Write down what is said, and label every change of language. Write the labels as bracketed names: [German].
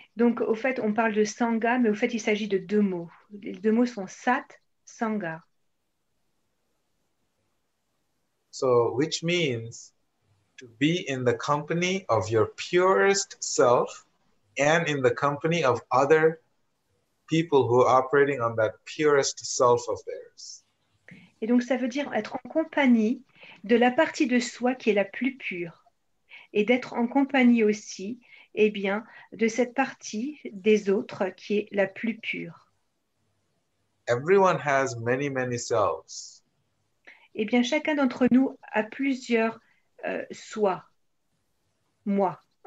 [French] Donc, au fait, on parle de Sangha, mais au fait, il s'agit de deux mots. Les deux mots sont Sat, Sangha. [English] So, which means to be in the company of your purest self and in the company of other people who are operating on that purest self of theirs. [French] Et donc, ça veut dire être en compagnie de la partie de soi qui est la plus pure et d'être en compagnie aussi, eh bien, de cette partie des autres qui est la plus pure. [English] Everyone has many, many selves. [French] Eh bien, chacun d'entre nous a plusieurs soi, moi.